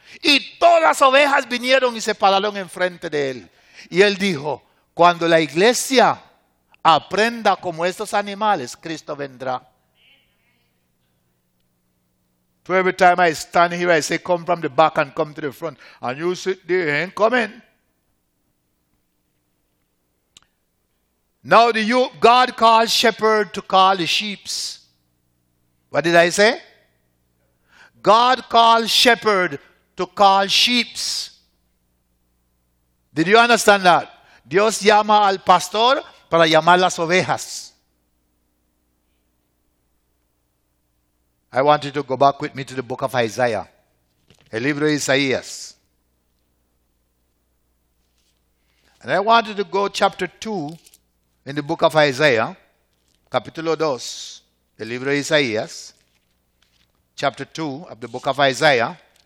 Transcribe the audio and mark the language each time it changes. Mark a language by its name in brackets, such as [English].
[Spanish] Y todas las ovejas vinieron y se pararon enfrente de él. Y él dijo, cuando la iglesia aprenda como estos animales, Cristo vendrá. [English] So every time I stand here, I say, come from the back and come to the front. And you sit there, ain't coming. Now the youth, God called shepherd to call the sheep. What did I say? God called shepherd to call sheep. Did you understand that? [Spanish] Dios llama al pastor para llamar las ovejas. [English] I want you to go back with me to the book of Isaiah. [Spanish] El libro de Isaías. [English] And I want you to go chapter 2 in the book of Isaiah. [Spanish] Capítulo 2. El libro de Isaías. [English] Chapter 2 of the book of Isaiah.